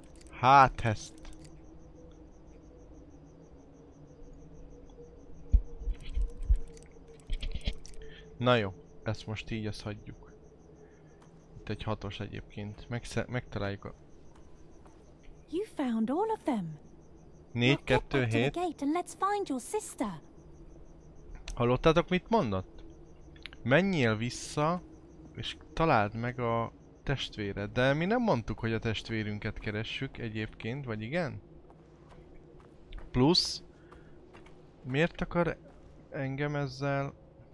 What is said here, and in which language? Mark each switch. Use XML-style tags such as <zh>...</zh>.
<hu>Hát ezt. Na jó, ezt most így ezt hagyjuk. Itt egy hatos egyébként. Megtaláljuk a...</hu> <en>You found all of them. 4-2-7. Get back to the gate and let's find your sister.</en> <hu>Hallottátok, mit mondott? Menjél vissza, és találd meg a testvéred. De mi nem mondtuk, hogy a testvérünket keressük egyébként, vagy igen? Plusz, miért akar engem ezzel...</hu>